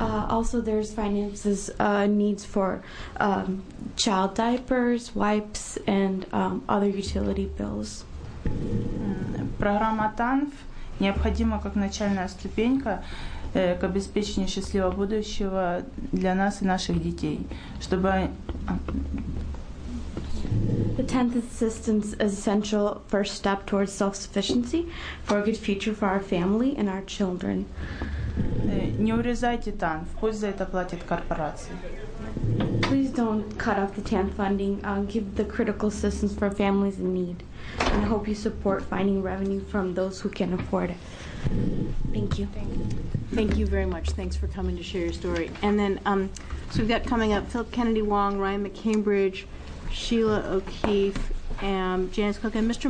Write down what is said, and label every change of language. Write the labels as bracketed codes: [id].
[en] Also, there's finances needs for child diapers, wipes, and other utility bills. [ru] Программа ТАНФ необходима как начальная ступенька к обеспечению счастливого будущего для нас и наших детей, чтобы. [en] The TANF assistance is essential first step towards self-sufficiency for a good future for our family and our children. [ru] Не урезайте ТАНФ, пусть за это платят корпорации. [en] Please don't cut off the TANF funding. Give the critical assistance for families in need. And I hope you support finding revenue from those who can afford it. Thank you. Thank you very much. Thanks for coming to share your story. And then, so we've got coming up Philip Kennedy Wong, Ryan McCambridge, Sheila O'Keefe, and Janice Cook. And Mr.